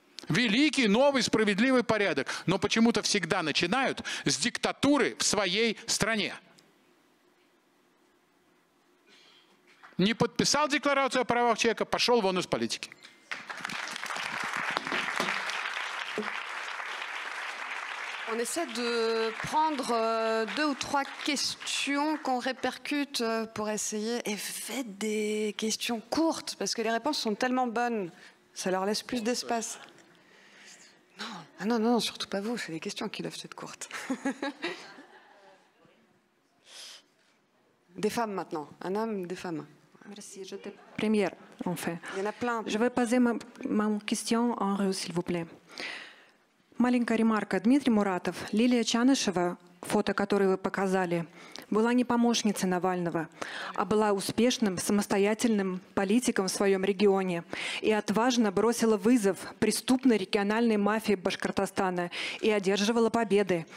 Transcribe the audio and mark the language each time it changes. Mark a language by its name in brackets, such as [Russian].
[Russian] Великий, новый, справедливый порядок. Но почему-то всегда начинают с диктатуры в своей стране. Не подписал декларацию о правах человека, пошел вон из политики. [French] On essaie de prendre deux ou trois questions qu'on répercute pour essayer et faites des questions courtes parce que les réponses sont tellement bonnes, ça leur laisse plus d'espace. Non, ah non, non, surtout pas vous, c'est les questions qui doivent être courtes. Des femmes maintenant, un homme, des femmes. Merci, je te première, en fait. Il y en a plein. Je vais poser ma question en russe, s'il vous plaît. [Russian] Маленькая ремарка. Дмитрий Муратов, Лилия Чанышева, фото, которое вы показали, была не помощницей Навального, а была успешным, самостоятельным политиком в своем регионе и отважно бросила вызов преступной региональной мафии Башкортостана и одерживала победы.